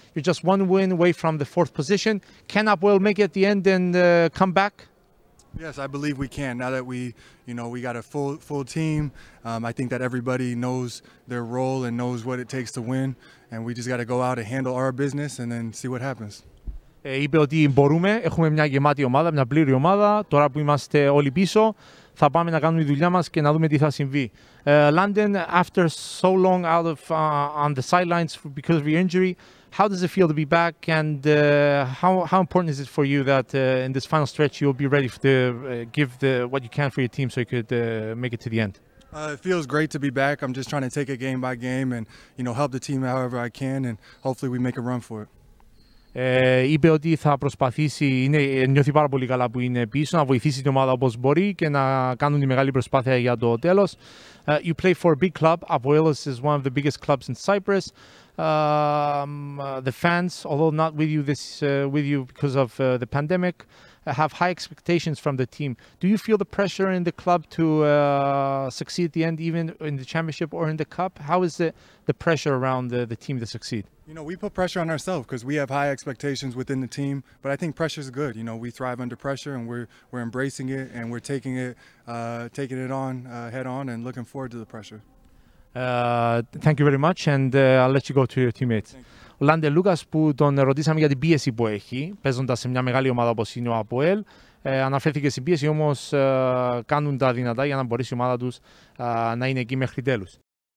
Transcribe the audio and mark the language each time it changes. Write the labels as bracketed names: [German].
[English] You're just one win away from the fourth position. Can ΑΠΟΕΛ make it at the end and come back? Yes, I believe we can. Now that we, you know, we got a full team, I think that everybody knows their role and knows what it takes to win. And we just got to go out and handle our business and then see what happens. [Greek] Είπε ότι μπορούμε, έχουμε μια γεμάτη ομάδα, μια πλήρη ομάδα. Τώρα που είμαστε όλοι πίσω, θα πάμε να κάνουμε τη δουλειά μας και να δούμε τι θα συμβεί. [English] Landen, after so long out of on the sidelines because of your injury, how does it feel to be back, and how important is it for you that in this final stretch you'll be ready to give the what you can for your team so you could make it to the end? It feels great to be back. I'm just trying to take it game by game and, you know, help the team however I can, and hopefully we make a run for it. [Greek] Είπε ότι θα προσπαθήσει, νιώθει πάρα πολύ καλά που είναι πίσω, να βοηθήσει την ομάδα όπως μπορεί και να κάνουν τη μεγάλη προσπάθεια για το τέλος. [English] You play for a big club. ΑΠΟΕΛ is one of the biggest clubs in Cyprus. The fans, although not with you this with you because of the pandemic, have high expectations from the team. Do you feel the pressure in the club to succeed at the end, even in the championship or in the cup? How is the pressure around the team to succeed? You know, we put pressure on ourselves because we have high expectations within the team, but I think pressure is good. You know, we thrive under pressure and we're embracing it and we're taking it on head on and looking forward to the pressure. Thank you very much, and I'll let you go to your teammates. [Greek] Ο Λάντε Λούκας, που τον ρωτήσαμε για την πίεση που έχει παίζοντας σε μια μεγάλη ομάδα όπως είναι ο ΑΠΟΕΛ, αναφέρθηκε στην πίεση, όμως κάνουν τα δυνατά για να μπορέσει η ομάδα τους να είναι εκεί μέχρι τέλους.